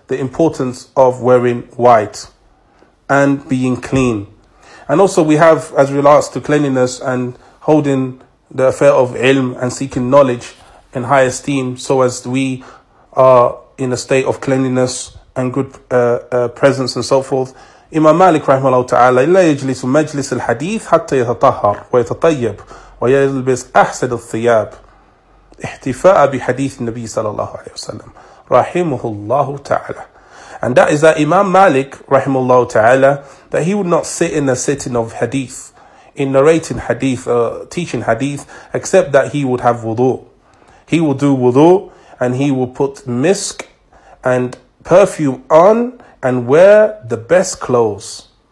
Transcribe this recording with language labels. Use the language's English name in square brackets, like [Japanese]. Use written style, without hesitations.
[English] the importance of wearing white and being clean. And also we have, as regards to cleanliness and holding the affair of ilm and seeking knowledge in high esteem, so as we are in a state of cleanliness and good presence and so forth. [Arabic] Imam Malik rahimahullah ta'ala, لا يجلس مجلس الحديث حتى يتطهر ويتطيب ويلبس أحسن الثياب احتفاء بحديث النبي صلى الله عليه وسلم رحمه الله تعالى. [English] And that is that Imam Malik rahimahullah ta'ala, that he would not sit in a sitting of hadith, in narrating hadith, teaching hadith, except that he would have wudu. He will do wudu and he will put misk and perfume on and wear the best clothes.